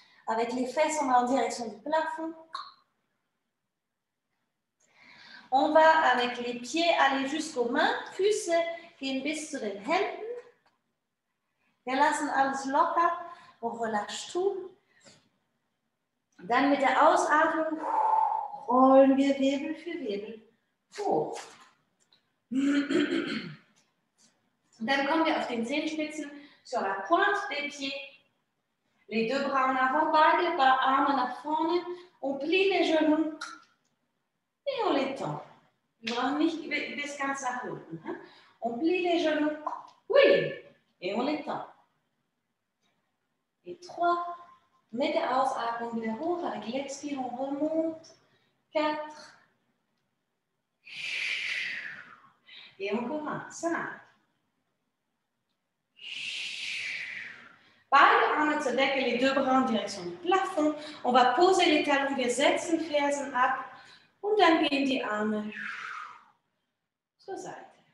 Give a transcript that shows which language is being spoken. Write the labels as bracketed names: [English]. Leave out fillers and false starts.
[French] Avec les fesses, on va en direction du plafond. On va avec les pieds aller jusqu'aux mains. [German] Füße gehen bis zu den Händen. Wir lassen alles locker. [French] On relâche tout. [German] Dann mit der Ausatmung rollen wir Wirbel für Wirbel hoch. Und dann kommen wir auf den Zehenspitzen [French] sur la pointe des pieds. Les deux bras en avant, [German] beide Arme nach vorne. [French] On plie les genoux et on les tend. [German] Wir brauchen nicht bis ganz nach unten. [French] On plie les genoux Oui. Et on l'étend. Et trois. [German] Mets des ausatmung wieder hoch. [French] Avec l'expire, on remonte. Quatre. Et encore un. Cinq. [German] Beide Arme zur Decke, [French] les deux bras en direction du plafond. On va poser les talons, [German] wir setzen Fersen ab und dann gehen die Arme zur Seite.